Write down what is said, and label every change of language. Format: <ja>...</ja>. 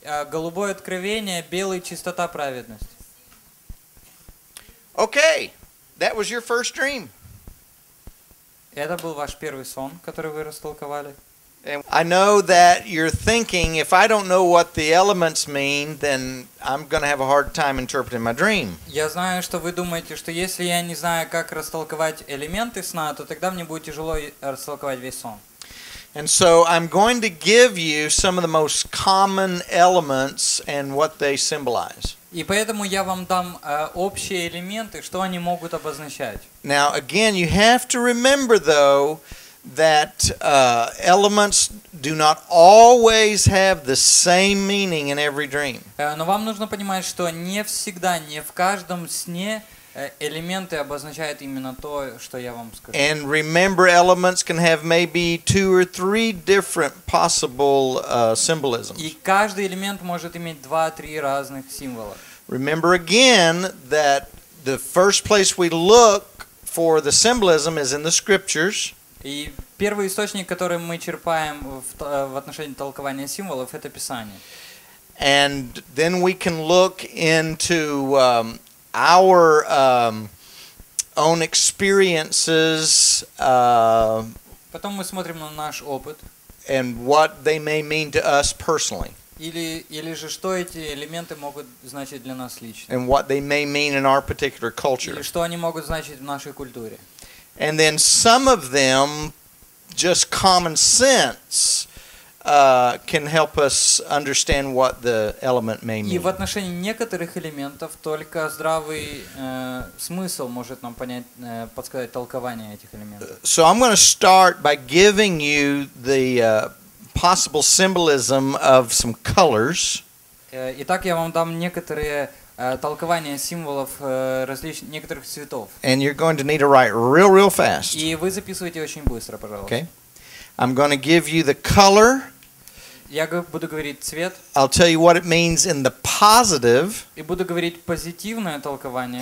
<ru>Голубое откровение, белый чистота праведность.</ru> <en>Okay. That was your first dream.</en> <ru>Это был ваш первый сон, который вы растолковали.</ru> <en>And I know that you're thinking, if I don't know what the elements mean, then I'm going to have a hard time interpreting my dream.</en> <ru>Я знаю, что вы думаете, что если я не знаю, как растолковать элементы сна, то тогда мне будет тяжело растолковать весь сон.</ru> <en>And so I'm going to give you some of the most common elements and what they symbolize.</en> <ru>И поэтому я вам дам общие элементы, что они могут обозначать.</ru> <en>Now again, you have to remember though that elements do not always have the same meaning in every dream.</en> <ru>Но вам нужно понимать, что не всегда, не в каждом сне элементы обозначают именно то, что я вам скажу.</ru> <en>And remember, elements can have maybe two or three different possible symbolisms.</en> <ru>И каждый элемент может иметь два-три разных символа.</ru> <en>Remember again that the first place we look for the symbolism is in the scriptures.</en> <ru>И первый источник, который мы черпаем в отношении толкования символов, это Писание.</ru> <en>And then we can look into our own experiences.</en> <ru>Потом мы смотрим на наш опыт.</ru> <en>And what they may mean to us personally.</en> <ru>Или же что эти элементы могут значить для нас лично.</ru> <en>And what they may mean in our particular culture.</en> <ru>Или что они могут значить в нашей культуре.</ru> <en>And then some of them, just common sense, can help us understand what the element may mean.</en> <ru>И в отношении некоторых элементов только здравый смысл может нам понять, подсказать толкование этих элементов.</ru> <en>So I'm going to start by giving you the possible symbolism of some colors.</en> <ru>Итак, я вам дам некоторые толкование символов некоторых цветов.</ru> <en>And you're going to need to write real, real fast.</en> <ru>И вы записывайте очень быстро, пожалуйста.</ru> <en>Okay. I'm going to give you the color.</en> <ru>Я буду говорить цвет.</ru> <en>I'll tell you what it means in the positive.</en> <ru>И буду говорить позитивное толкование.</ru>